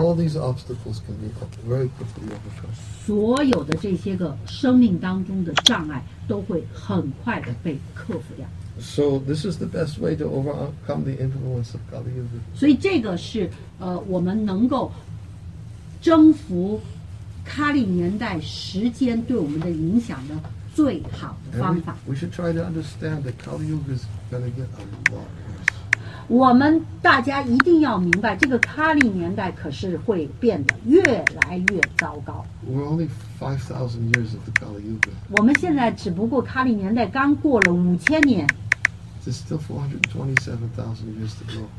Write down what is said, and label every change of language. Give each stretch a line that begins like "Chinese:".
English: all these obstacles can be very quickly overcome.
Chinese: 所有的这些个生命当中的障碍都会很快的被克服掉。
English: So this is the best way to overcome the influence of Kali Yuga.
Chinese: 所以这个是我们能够征服卡利年代时间对我们的影响的最好的方法。
English: We should try to understand that Kali Yuga is going to get a lot worse.
Chinese: 我们大家一定要明白，这个卡利年代可是会变得越来越糟糕。
English: We're only 5,000 years of the Kali Yuga.
Chinese: 我们现在只不过卡利年代刚过了五千年。
English: There's still 427,000 years to go.